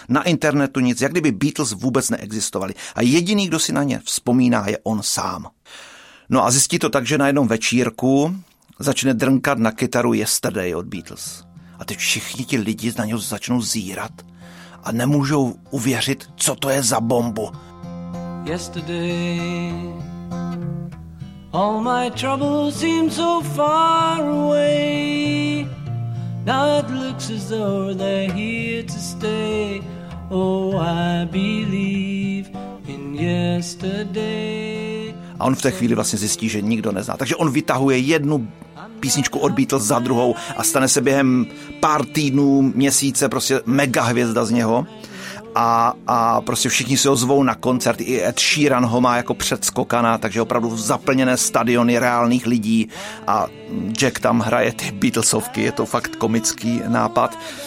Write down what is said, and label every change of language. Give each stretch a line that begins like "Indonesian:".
Czech: Na internetu nic, jak kdyby Beatles vůbec neexistovali. A jediný, kdo si na ně vzpomíná, je on sám. No a zjistí to tak, že na jednom večírku začne drnkat na kytaru Yesterday od Beatles. A teď všichni ti lidi na něho začnou zírat a nemůžou uvěřit, co to je za bombu.
English: Yesterday, all my troubles seem so far away. Now it looks as though they're here to stay. Oh, I believe in yesterday.
Czech: A on v té chvíli vlastně zjistí, že nikdo nezná. Takže on vytahuje jednu písničku od Beatles za druhou a stane se během pár týdnů, měsíce prostě mega hvězda z něho. A prostě všichni si ho zvou na koncert, i Ed Sheeran ho má jako předskokaná, takže opravdu zaplněné stadiony reálných lidí a Jack tam hraje ty Beatlesovky, je to fakt komický nápad.